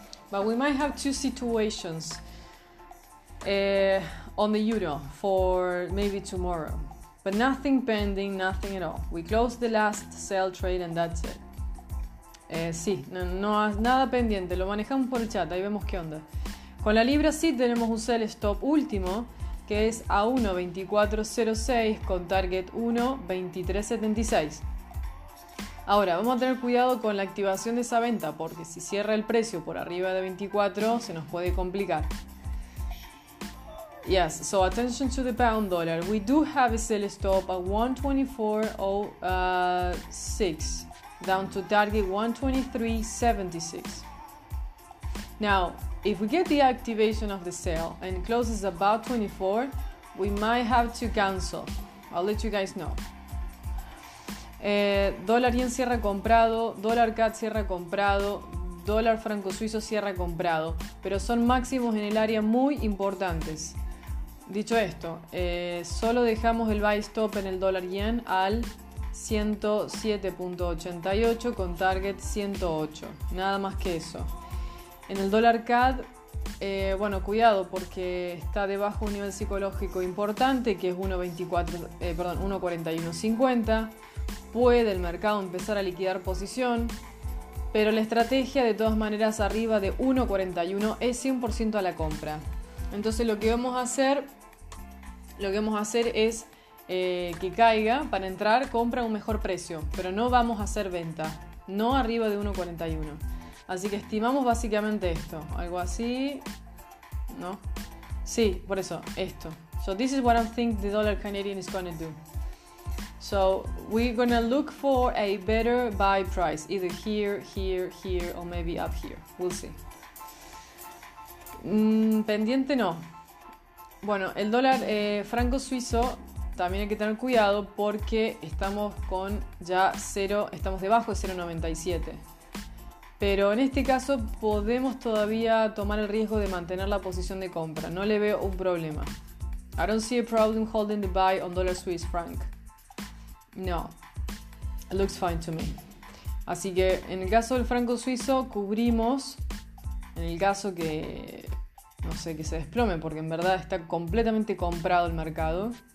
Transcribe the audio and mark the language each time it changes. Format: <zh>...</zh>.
<en>But we might have two situations on the euro for maybe tomorrow. But nothing pending, nothing at all. We closed the last sale trade and that's it.</en> <es>Sí, no, nada pendiente. Lo manejamos por el chat, ahí vemos qué onda. Con la libra sí tenemos un sell stop último, que es a 1.2406 con target 1.2376. Ahora, vamos a tener cuidado con la activación de esa venta, porque si cierra el precio por arriba de 24, se nos puede complicar.</es> <en>Yes, so attention to the pound dollar. We do have a sell stop at 1.2406, down to target 1.2376. Now, if we get the activation of the sale and closes about 24, we might have to cancel. I'll let you guys know.</en> <es>Dólar yen cierra comprado, dólar CAD cierra comprado, dólar franco suizo cierra comprado, pero son máximos en el área muy importantes. Dicho esto, solo dejamos el buy stop en el dólar yen al 107.88 con target 108. Nada más que eso. En el dólar CAD, bueno, cuidado porque está debajo de un nivel psicológico importante que es 1.4150. Puede el mercado empezar a liquidar posición, pero la estrategia de todas maneras arriba de 1.41 es 100% a la compra. Entonces lo que vamos a hacer es que caiga para entrar, compra a un mejor precio, pero no vamos a hacer venta, no arriba de 1.41. Así que estimamos básicamente esto, algo así, ¿no? Sí, por eso, esto.</es> <en>So this is what I think the dollar Canadian is going to do. So we're going to look for a better buy price, either here, here, here, or maybe up here. We'll see.</en> <es>Pendiente no. Bueno, el dólar franco suizo también hay que tener cuidado porque estamos con ya cero, estamos debajo de 0.97. Pero en este caso podemos todavía tomar el riesgo de mantener la posición de compra. No le veo un problema.</es> <en>I don't see a problem holding the buy on dollar Swiss franc. No. It looks fine to me.</en> <es>Así que en el caso del franco suizo cubrimos. En el caso que, no sé, que se desplome, porque en verdad está completamente comprado el mercado.</es>